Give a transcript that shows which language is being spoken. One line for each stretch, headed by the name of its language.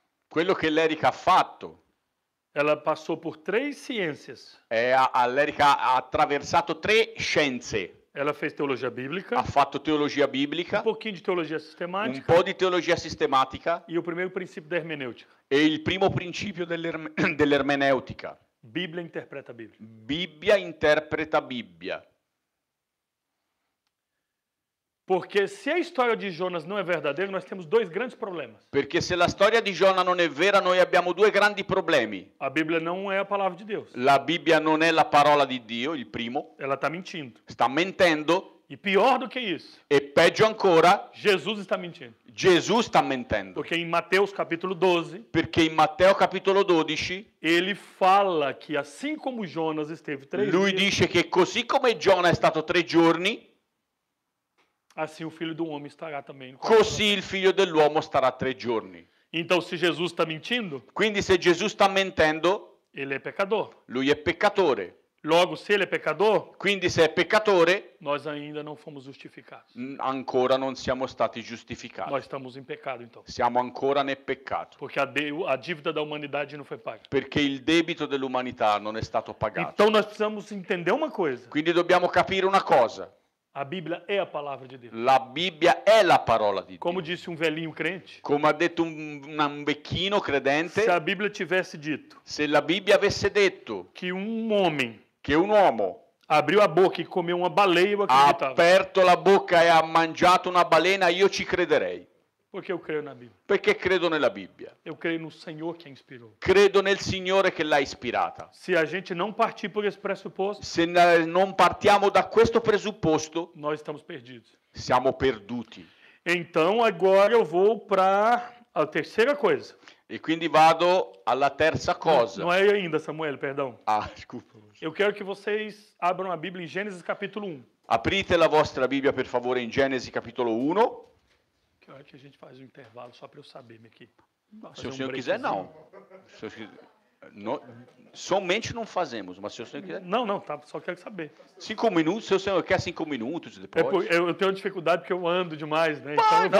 Italian: Quello che l'Erica ha fatto.
Portuguese: Ela passou por três ciências.
Italian: É, a Lérica ha attraversato tre scienze.
Portuguese: Ela fez teologia bíblica.
Italian: Ha fatto teologia bíblica.
Portuguese: Um pouquinho de teologia sistemática.
Italian: Um po' di teologia sistematica.
Portuguese: E o primeiro princípio da hermenêutica.
Italian: E il primo principio dell'ermeneutica.
Portuguese: Bíblia interpreta a Bíblia. Bíblia interpreta a Bíblia. Porque se a história de Jonas não é verdadeira, nós temos dois grandes problemas.
Italian: Perché se la storia di Giona non è vera, noi abbiamo due grandi problemi.
Portuguese: A Bíblia não é a palavra de Deus.
Italian: La Bibbia non è la parola di Dio, il primo.
Portuguese: Ela está mentindo.
Italian: Sta mentendo.
Portuguese: E pior do que isso.
Italian: E peggio ancora.
Portuguese: Jesus está mentindo.
Italian: Jesus sta mentendo.
Portuguese: Porque em Mateus capítulo 12.
Italian: Perché in Matteo capitolo 12.
Portuguese: Ele fala que assim como Jonas esteve três.
Italian: Lui
Portuguese: dias,
Italian: dice che così come Giona è stato tre giorni.
Portuguese: Assim o filho do homem estará também.
Italian: Così il figlio dell'uomo starà tre giorni.
Portuguese: Então se Jesus está mentindo?
Italian: Quindi se Jesus sta mentendo?
Portuguese: Ele é pecador.
Italian: Lui è peccatore.
Portuguese: Logo se ele é pecador?
Italian: Quindi se è peccatore?
Portuguese: Nós ainda não fomos justificados.
Italian: Ancora non siamo stati giustificati.
Portuguese: Nós estamos em pecado então.
Italian: Siamo ancora nel peccato.
Portuguese: Porque a dívida da humanidade não foi paga.
Italian: Perché il debito dell'umanità non è stato pagato.
Portuguese: Então nós precisamos entender uma coisa.
Italian: Quindi dobbiamo capire una cosa.
Portuguese: A Bíblia é a palavra de Deus.
Italian: La Bibbia è la parola di Dio.
Portuguese: Como disse um velhinho crente?
Italian: Come ha detto un vecchino credente?
Portuguese: Se a Bíblia tivesse dito.
Italian: Se la Bibbia avesse detto.
Portuguese: Que um homem.
Italian: Che un uomo.
Portuguese: Abriu a boca e comeu uma baleia, eu acreditava.
Italian: Ha aperto la bocca e ha mangiato una balena, io ci crederei.
Portuguese: Porque eu creio na Bíblia.
Italian: Perché credo nella Bibbia.
Portuguese: Eu creio no Senhor que a inspirou.
Italian: Credo nel Signore che l'ha ispirata.
Portuguese: Se a gente não partir por esse pressuposto.
Italian: Se non partiamo da questo presupposto.
Portuguese: Nós estamos perdidos.
Italian: Siamo perduti.
Portuguese: Então agora eu vou para A terceira coisa.
Italian: E quindi vado alla terza cosa.
Portuguese: Não é ainda, Samuel, perdão. Ah, desculpa. Eu quero que vocês abram a Bíblia em Gênesis capítulo 1. Aprite la vostra Bibbia per favore in Genesi capitolo 1. Che ora che a gente faz um intervalo só para eu saber, meu aqui. Se o senhor quiser, não. Se o senhor quiser, somente não fazemos, mas se o senhor quiser... Não, não, tá, só quero saber. Cinco minutos, se o senhor quer cinco minutos depois... Eu tenho dificuldade porque eu ando demais, né? Vai, então